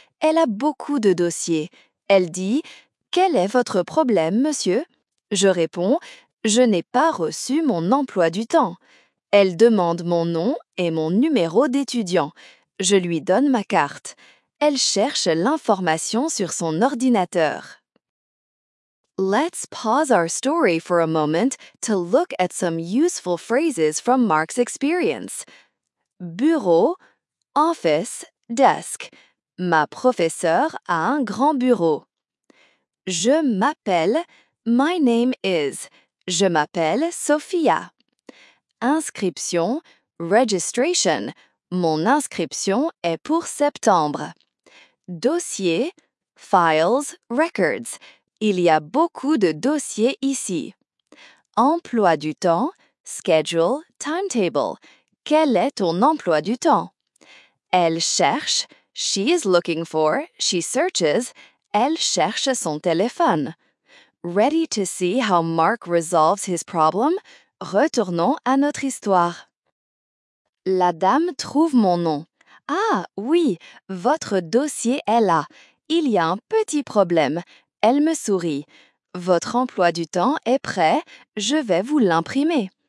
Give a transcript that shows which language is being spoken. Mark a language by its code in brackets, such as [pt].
[fr] Elle a beaucoup de dossiers. Elle dit « Quel est votre problème, monsieur ?» Je réponds « Je n'ai pas reçu mon emploi du temps. » Elle demande mon nom et mon numéro d'étudiant. Je lui donne ma carte. Elle cherche l'information sur son ordinateur. [en] Let's pause our story for a moment to look at some useful phrases from Mark's experience. Bureau, office, desk. [fr] Ma professeure a un grand bureau. Je m'appelle, my name is. Je m'appelle Sophia. Inscription, registration. Mon inscription est pour septembre. Dossier, files, records. Il y a beaucoup de dossiers ici. Emploi du temps, schedule, timetable. Quel est ton emploi du temps? Elle cherche, she is looking for, she searches, elle cherche son téléphone. [en] Ready to see how Mark resolves his problem? [fr] Retournons à notre histoire. La dame trouve mon nom. Ah oui, votre dossier est là. Il y a un petit problème. Elle me sourit. Votre emploi du temps est prêt, je vais vous l'imprimer.